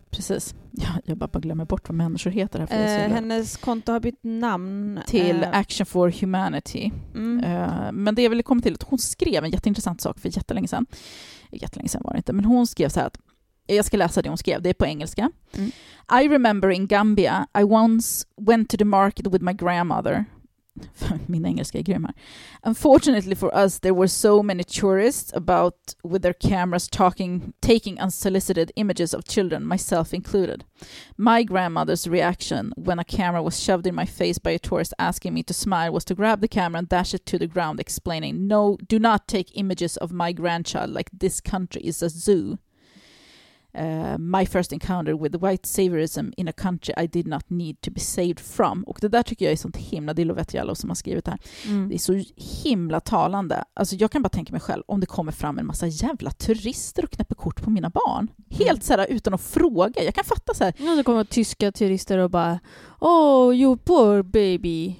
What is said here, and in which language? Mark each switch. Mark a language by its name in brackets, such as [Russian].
[Swedish] Precis. Jag bara glömmer bort vad människor heter här. Hennes konto har bytt namn till Action for Humanity. Men det jag ville komma till, att hon skrev en jätteintressant sak för jättelänge sedan. Jättelänge sedan var det inte, men hon skrev så här att, jag ska läsa det hon skrev, det är på engelska. [English] I remember in Gambia I once went to the market with my grandmother. [Swedish] Min engelska är grym här. [English] Unfortunately for us there were so many tourists about with their cameras taking unsolicited images of children, myself included. My grandmother's reaction when a camera was shoved in my face by a tourist asking me to smile was to grab the camera and dash it to the ground, explaining, no, do not take images of my grandchild, like this country is a zoo. My first encounter with white saviorism in a country I did not need to be saved from. [Swedish] Och det där tycker jag är sånt himla, det är Lovette Jallow som har skrivit det här. Det är så himla talande. Alltså jag kan bara tänka mig själv, om det kommer fram en massa jävla turister och knäpper kort på mina barn, helt så här utan att fråga. Jag kan fatta så här. Ja, det kommer tyska turister och bara, [English] oh, you poor baby.